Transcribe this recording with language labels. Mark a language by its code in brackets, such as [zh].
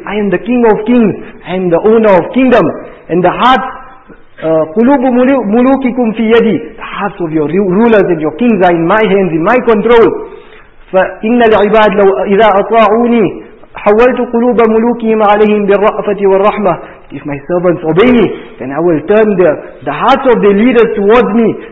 [en] I am the king of kings, I am the owner of kingdom. And the hearts, [ar] قُلُوبُ مُلُوكِكُمْ فِي يَدِي. [en] The hearts of your rulers and your kings are in my hands, in my control. [ar] فَإِنَّ الْعِبَادِ لَوْ إِذَا أَطَاعُونِي حَوَّلْتُ قُلُوبَ مُلُوكِهِمْ عَلَيْهِمْ بِالرَّأْفَةِ وَالرَّحْمَةِ. [en] If my servants obey me, then I will turn the hearts of the leaders towards me.